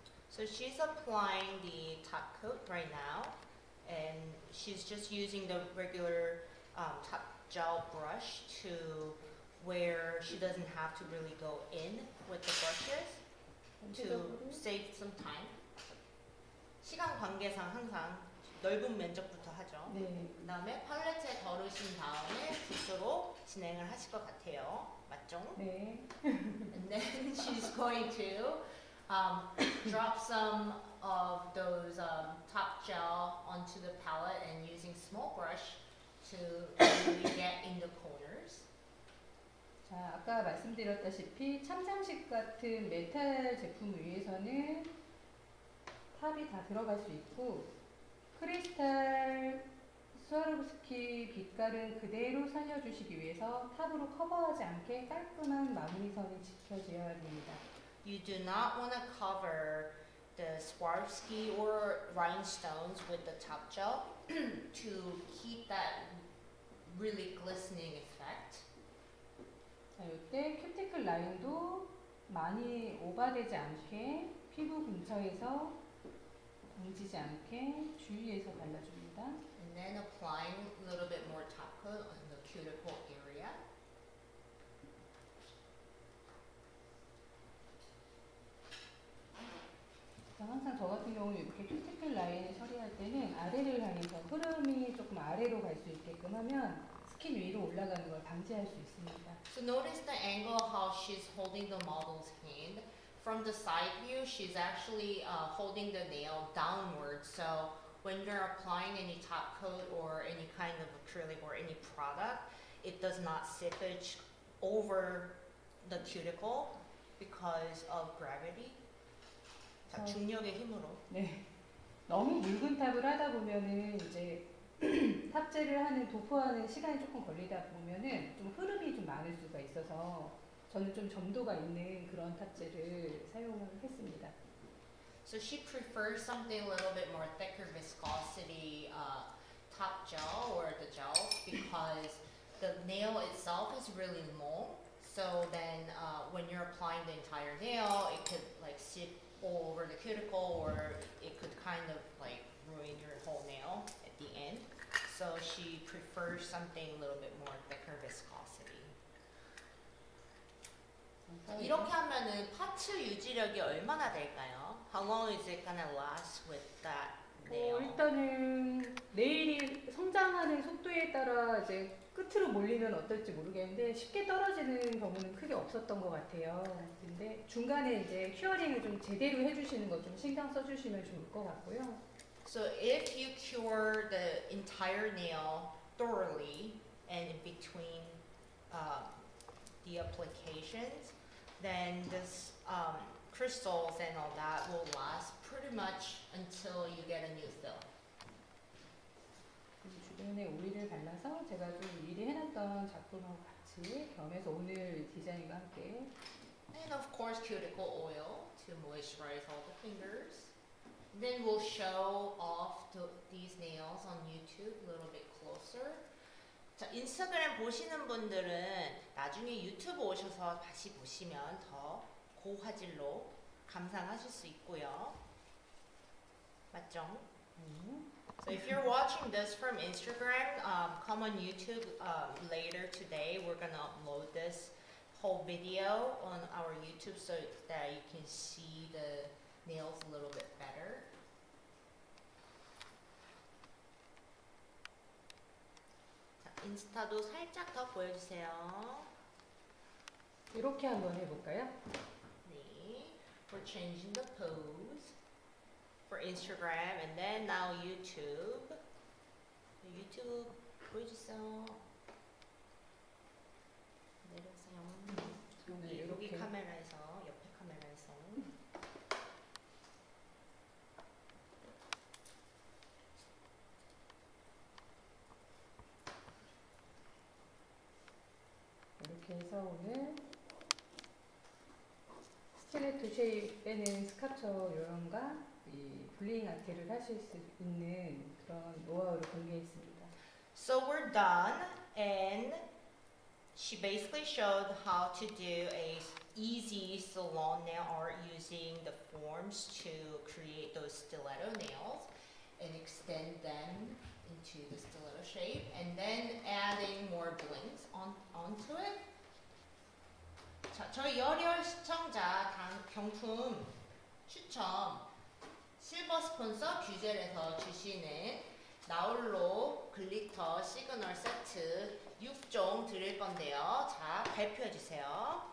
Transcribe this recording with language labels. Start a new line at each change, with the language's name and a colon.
English: So she's applying the top coat right now, and she's just using the regular top gel brush to where she doesn't have to really go in with the brushes to save some time.
Korean: 시간 관계상 항상 넓은 면적부터 하죠. 네. 그 다음에 팔레트에 덜으신 다음에 붓으로 진행을 하실 것 같아요. 맞죠? 네.
English: And then she's going to drop some of those top gel onto the palette and using small brush to really get in the corners.
Korean: 자, 아까 말씀드렸다시피 참장식 같은 메탈 제품 위에서는 탑이 다 들어갈 수 있고 크리스탈 스와로브스키 빛깔은 그대로 살려주시기 위해서 탑으로 커버하지 않게 깔끔한 마무리선이 지켜져야 됩니다.
English: You do not want to cover the Swarovski or rhinestones with the top gel to keep that really glistening effect.
Korean: 자, 이때 큐티클 라인도 많이 오바되지 않게 피부 근처에서 뭉치지 않게 주위에서 발라줍니다.
English: And then applying a little bit more top coat on the cuticle area.
Korean: 항상 저 같은 경우 이렇게 큐티클 라인 처리할 때는 아래를 향해서 흐름이 조금 아래로 갈 수 있게끔 하면 스킨 위로 올라가는 걸 방지할 수 있습니다.
English: So notice the angle how she's holding the model's hand. From the side view, she's actually holding the nail downward. So when you're applying any top coat or any kind of acrylic or any product, it does not slippage over the cuticle because of gravity.
Korean: 자, 중력의 힘으로. 네. 너무 묽은 탑을 하다 보면은 이제 탑재를 하는 도포하는 시간이 조금 걸리다 보면은 좀 흐름이 좀 많을 수가 있어서 저는 좀 점도가 있는 그런 탑재를 사용을 했습니다.
English: So she prefers something a little bit more thicker viscosity top gel or the gel because the nail itself is really long. So then when you're applying the entire nail, it could like sit all over the cuticle or it could kind of like ruin your whole nail at the end. So she prefers something a little bit more thicker viscosity.
Korean: 이렇게 하면은 파츠 유지력이 얼마나 될까요?
English: How long is it gonna last with that nail?
Korean: 일단은 네일이 성장하는 속도에 따라 이제 끝으로 몰리면 어떨지 모르겠는데 쉽게 떨어지는 경우는 크게 없었던 것 같아요. 근데 중간에 이제 큐어링을 좀 제대로 해주시는 것 좀 신경 써주시면 좋을 것 같고요.
English: So if you cure the entire nail thoroughly and in between the applications, then this crystals and all that will last pretty much until you get a new fill.
Korean: 주변에 오일을 발라서 제가 좀 미리 해놨던 작품하고 같이 겸해서 오늘 디자인과 함께.
English: And of course, cuticle oil to moisturize all the fingers. Then we'll show off these nails on YouTube a little bit closer.
Korean: 자, 인스타그램 보시는 분들은 나중에 유튜브 오셔서 다시 보시면 더 고화질로 감상하실 수 있고요. 맞죠?
English: So if you're watching this from Instagram, come on YouTube later today. We're going to upload this whole video on our YouTube so that you can see the nails a little bit better.
Korean: 인스타도 살짝 더 보여주세요. 이렇게 한번 해볼까요? 네,
English: we're changing the pose for Instagram and then now YouTube.
Korean: YouTube 보여주세요. 내려오세요. 여기 카메라에서, 옆에 카메라에서. 이렇게 해서 오늘 스티레토 쉐입에는 스카쳐 요령과 이 블링 아트를 하실 수 있는 그런 노하우를 공개했습니다.
English: So we're done and she basically showed how to do a easy salon nail art using the forms to create those stiletto nails and extend them into the stiletto shape and then adding more blinks onto it.
Korean: 자, 저희 열혈 시청자 경품 추첨 실버 스폰서 규젤에서 주시는 나홀로 글리터 시그널 세트 6종 드릴 건데요. 자, 발표해 주세요.